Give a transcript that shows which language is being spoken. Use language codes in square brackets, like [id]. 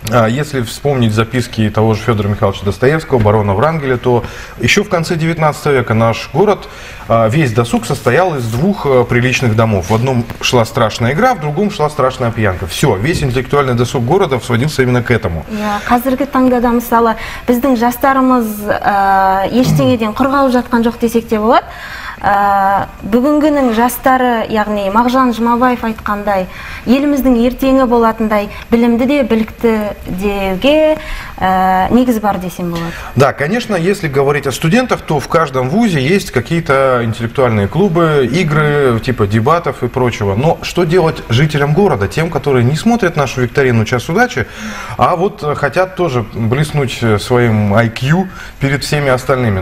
[ru] Если вспомнить записки того же Федора Михайловича Достоевского, барона Врангеля, то еще в конце 19 века наш город, весь досуг состоял из двух приличных домов. В одном шла страшная игра, в другом шла страшная пьянка. Все, весь интеллектуальный досуг города сводился именно к этому. [kk] Қазіргі таңда да мысалы, біздің жастарымыз ештеңеден құрғау жатқан жоқ десек те болады. Бүгінгінің жастары, яғни Мағжан Жұмабаев айтқандай, еліміздің ертеңі болатындай білімді де білікті деуге негіз бар десем болады. [ru] Да, конечно, если говорить о студентах, то в каждом вузе есть какие-то интеллектуальные клубы, игры, типа дебатов и прочего. Но что делать жителям города, тем, которые не смотрят нашу викторину «Час удачи», а вот хотят тоже блеснуть своим IQ перед всеми остальными?